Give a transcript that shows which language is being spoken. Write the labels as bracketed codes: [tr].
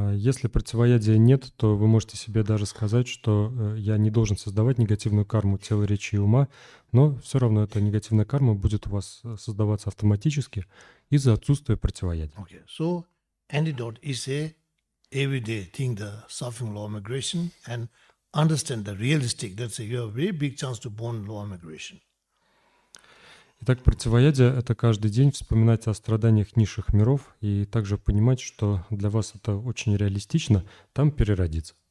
[ru] Если противоядия нет, то вы можете себе даже сказать, что я не должен создавать негативную карму тела, речи и ума, но все равно эта негативная карма будет у вас создаваться автоматически из-за отсутствия противоядия. [en] Okay. So, antidote is a everyday thing, the suffering low migration, and understand the realistic, that's a very big chance to born low migration. [ru] Итак, противоядие – это каждый день вспоминать о страданиях низших миров и также понимать, что для вас это очень реалистично, там переродиться.